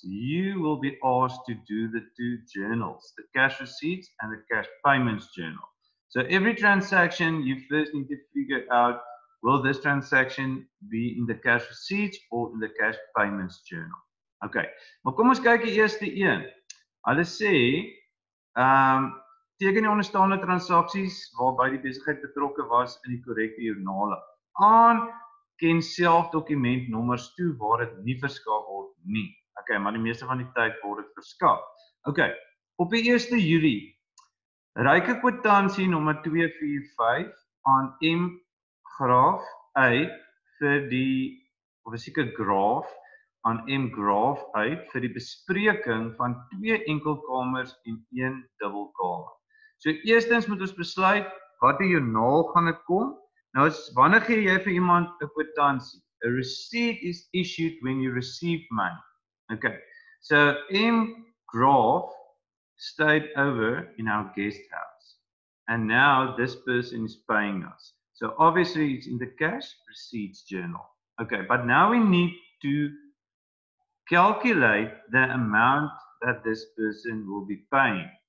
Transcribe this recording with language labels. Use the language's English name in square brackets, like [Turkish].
[English] You will be asked to do the two journals, the cash receipts and the cash payments journal. So every transaction, you first need to figure out, will this transaction be in the cash receipts or in the cash payments journal? [Afrikaans] Okay, maar kom ons kyk eers die een. Hulle sê, teken die onderstaande transaksies waarby die besigheid betrokke was in die korrekte joernale. Aan ken self dokumentnommers toe waar dit nie verskaf word nie. Okay, maar die meeste van die tyd word dit verskaf. Okay, op die 1 Julie reik ek kwitansie nommer 245 aan M Graaf uit vir die of 'n seker graaf aan M Graaf uit vir die bespreking van twee enkelkamers en een dubbelkamer. So eerstens moet ons besluit watter joernaal gaan dit kom. Nou as wanneer gee jy vir iemand 'n kwitansie? [English] A receipt is issued when you receive money. Okay. So M Graaf stayed over in our guest house. And now this person is paying us. So obviously it's in the cash receipts journal. Okay, but now we need to calculate the amount that this person will be paying.